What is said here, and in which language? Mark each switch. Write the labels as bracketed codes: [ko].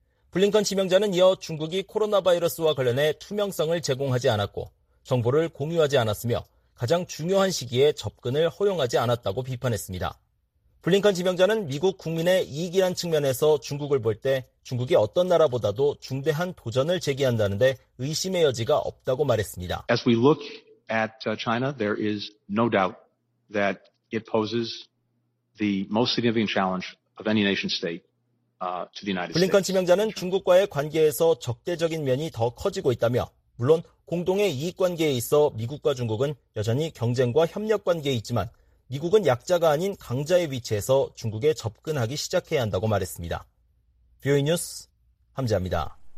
[ko] 블링컨 지명자는 이어 중국이 코로나 바이러스와 관련해 투명성을 제공하지 않았고 정보를 공유하지 않았으며 가장 중요한 시기에 접근을 허용하지 않았다고 비판했습니다. 블링컨 지명자는 미국 국민의 이익이란 측면에서 중국을 볼 때 중국이 어떤 나라보다도 중대한 도전을 제기한다는데 의심의 여지가 없다고 말했습니다. [en] As we look at China, there is no doubt that it poses the most significant challenge of any nation state to the United States. [ko] 블링컨 지명자는 중국과의 관계에서 적대적인 면이 더 커지고 있다며 물론 공동의 이익관계에 있어 미국과 중국은 여전히 경쟁과 협력관계에 있지만 미국은 약자가 아닌 강자의 위치에서 중국에 접근하기 시작해야 한다고 말했습니다. VOA 뉴스 함재합니다.